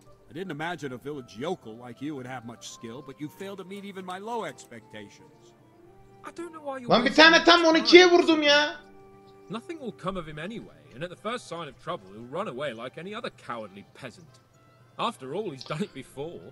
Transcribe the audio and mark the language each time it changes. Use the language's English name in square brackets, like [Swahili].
[English] I didn't imagine a village yokel like you would have much skill, but you failed to meet even my low expectations. I don't know why you. [Turkish] Lan bir tane tam 12'ye vurdum ya. [English] Nothing will come of him anyway, and at the first sign of trouble, he'll run away like any other cowardly peasant. After all, he's done it before.